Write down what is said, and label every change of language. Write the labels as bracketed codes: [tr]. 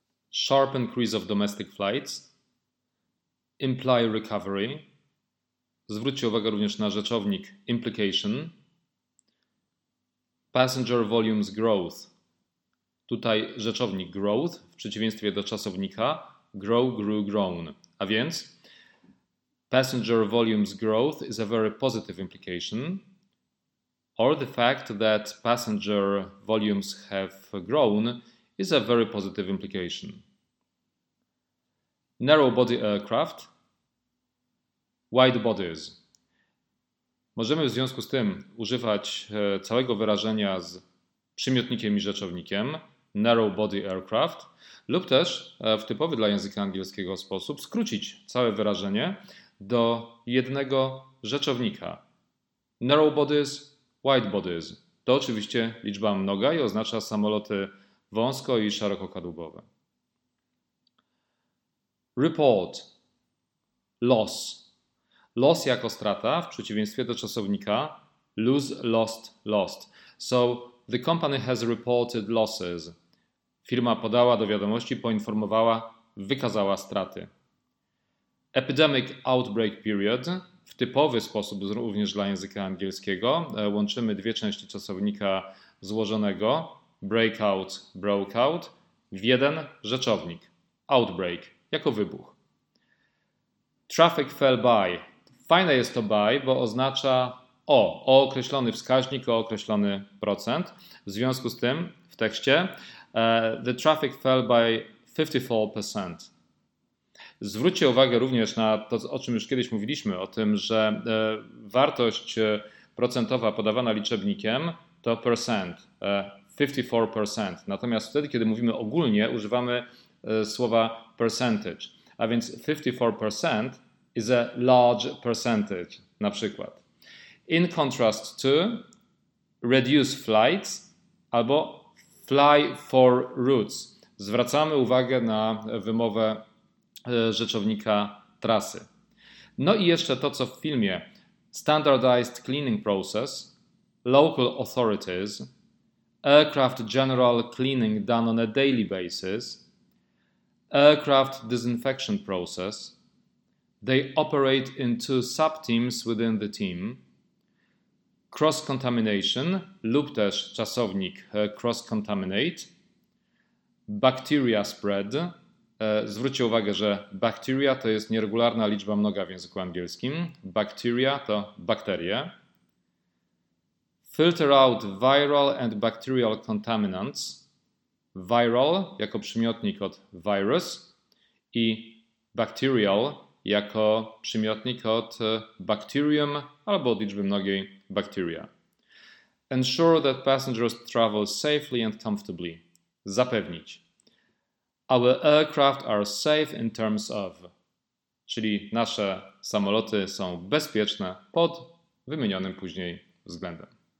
[en] sharp increase of domestic flights, imply recovery. [pl] Zwróćcie uwagę również na rzeczownik implication. [en] Passenger volumes growth. [pl] Tutaj rzeczownik growth w przeciwieństwie do czasownika grow, grew, grown. A więc [en] passenger volumes growth is a very positive implication. Or the fact that passenger volumes have grown is a very positive implication. Narrow body aircraft, wide bodies. [pl] Możemy w związku z tym używać całego wyrażenia z przymiotnikiem i rzeczownikiem narrow body aircraft lub też w typowy dla języka angielskiego sposób skrócić całe wyrażenie do jednego rzeczownika. [en] Narrow bodies, wide bodies. [pl] To oczywiście liczba mnoga i oznacza samoloty wąsko- i szerokokadłubowe. Report. Loss. Loss jako strata w przeciwieństwie do czasownika lose, lost, lost. [en] So the company has reported losses. [pl] Firma podała do wiadomości, poinformowała, wykazała straty. Epidemic outbreak period. W typowy sposób również dla języka angielskiego łączymy dwie części czasownika złożonego breakout, brokeout w jeden rzeczownik. [en] Outbreak [pl] jako wybuch. [en] Traffic fell by. [pl] Fajne jest to by, bo oznacza o określony wskaźnik, o określony procent. W związku z tym w tekście [en] the traffic fell by 54%. [pl] Zwróćcie uwagę również na to, o czym już kiedyś mówiliśmy, o tym, że wartość procentowa podawana liczebnikiem to percent, 54%. Natomiast wtedy, kiedy mówimy ogólnie, używamy słowa percentage. A więc [en] 54% is a large percentage, [pl] na przykład. [en] In contrast to reduce flights [pl] albo [en] fly for routes. [pl] Zwracamy uwagę na wymowę rzeczownika trasy. No i jeszcze to, co w filmie. [en] Standardized cleaning process, local authorities, aircraft general cleaning done on a daily basis, aircraft disinfection process, they operate in two sub-teams within the team, cross-contamination [pl] lub też czasownik [en] cross-contaminate, bacteria spread. [pl] Zwróćcie uwagę, że bacteria to jest nieregularna liczba mnoga w języku angielskim. Bacteria to bakterie. [en] Filter out viral and bacterial contaminants. [pl] Viral jako przymiotnik od virus i bacterial jako przymiotnik od bacterium albo od liczby mnogiej bacteria. [en] Ensure that passengers travel safely and comfortably. [pl] Zapewnić. [en] Our aircraft are safe in terms of, [pl] czyli nasze samoloty są bezpieczne pod wymienionym później względem.